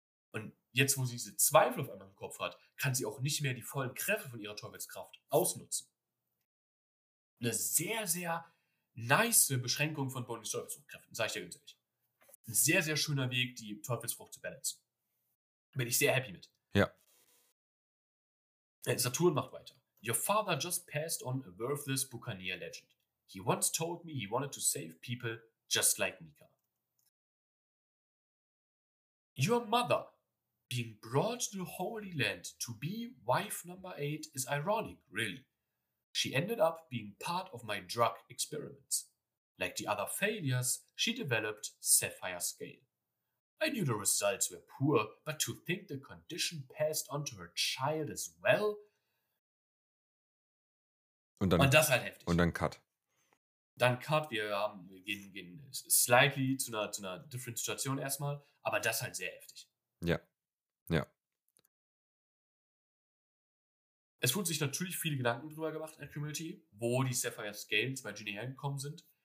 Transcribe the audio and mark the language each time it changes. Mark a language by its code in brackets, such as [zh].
[de] Und jetzt, wo sie diese Zweifel auf einmal im Kopf hat, kann sie auch nicht mehr die vollen Kräfte von ihrer Teufelskraft ausnutzen. Eine sehr, sehr nice Beschränkung von Bonnies Teufelskräften, sage ich dir ganz ehrlich. Ein sehr, sehr schöner Weg, die Teufelsfrucht zu balancen. Bin ich sehr happy mit. Ja. Saturn macht weiter. [en] Your father just passed on a worthless Buccaneer legend. He once told me he wanted to save people just like Nika. Your mother being brought to the Holy Land to be wife number 8 is ironic, really. She ended up being part of my drug experiments. Like the other failures, she developed Sapphire Scale. I knew the results were poor, but to think the condition passed on to her child as well? [de] Und das halt heftig. Und dann Cut. Dann Cut, wir gehen slightly zu einer different Situation erstmal, aber das halt sehr heftig. Ja, ja. Es wurden sich natürlich viele Gedanken drüber gemacht in der Community, wo die Sapphire Scales bei Ginny hergekommen sind.